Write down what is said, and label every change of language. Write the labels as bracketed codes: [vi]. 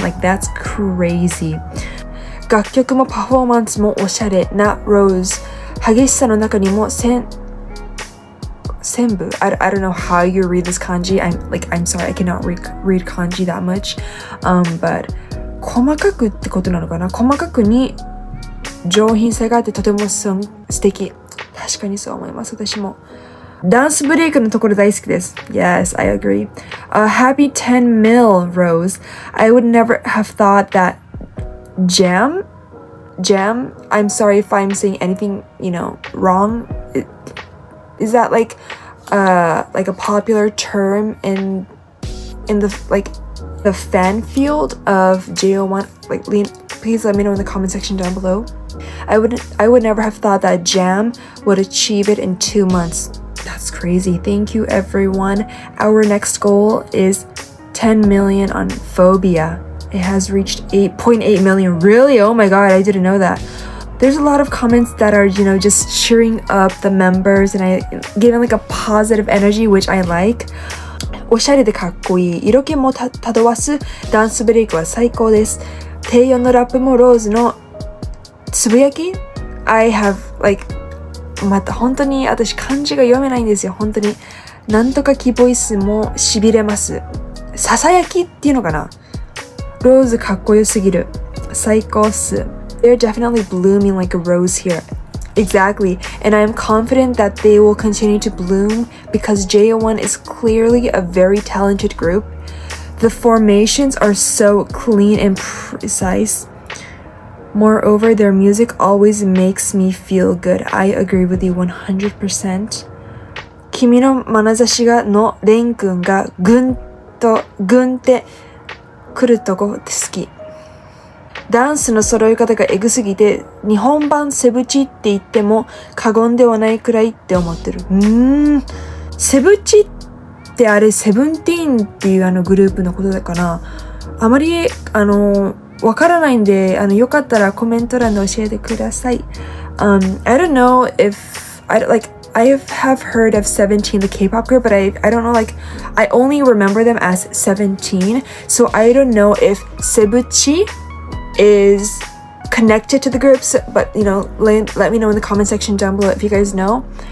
[en] Like, that's crazy. [ja] 楽曲も performance もおしゃれ. [en] Not rose. [ja] 激しさの中にも千部. [en] I don't know how you read this kanji. I'm sorry, I cannot read kanji that much. [ja] But 細かくってことなのかな? 細かくに上品性があってとても素敵。確かにそう思います。私もダンスブレイクのところ大好きです。 [en] Yes, I agree. A happy 10 mil, Rose. I would never have thought that Jam, I'm sorry if I'm saying anything, you know, wrong. Is that like a popular term in the like the fan field of J01? Like, please let me know in the comment section down below. I would never have thought that Jam would achieve it in 2 months. That's crazy. Thank you, everyone. Our next goal is 10 million on Phobia. It has reached 8.8 million. Really? Oh my god, I didn't know that. There's a lot of comments that are, you know, just cheering up the members and giving like a positive energy, which I like. [ja] おしゃれでかっこいい。色気もたどわすダンスブレイクは最高です。低音のラップもローズのつぶやき? [en] I have like, [ja] また本当に私漢字が読めないんですよ。本当に。なんとかキーボイスもしびれます。ささやきっていうのかな? ローズかっこよすぎる。最高っす。 [en] They're definitely blooming like a rose here. Exactly, and I am confident that they will continue to bloom because J01 is clearly a very talented group. The formations are so clean and precise. Moreover, their music always makes me feel good. I agree with you 100%. [ja] 君の眼差しがのレン君がぐんとぐんって来るとこ好き。ダンスの揃い方がエグすぎて日本版セブチって言っても過言ではないくらいって思ってる。セブチってあれセブンティーンっていうあのグループのことだから、あまりあのわからないんで、あのよかったらコメント欄で教えてください。 [en] I don't know if I don't, like I have heard of Seventeen, the K-pop group, but I don't know, like I only remember them as Seventeen, so I don't know if Sebuchi is connected to the groups, but you know, let me know in the comment section down below if you guys know.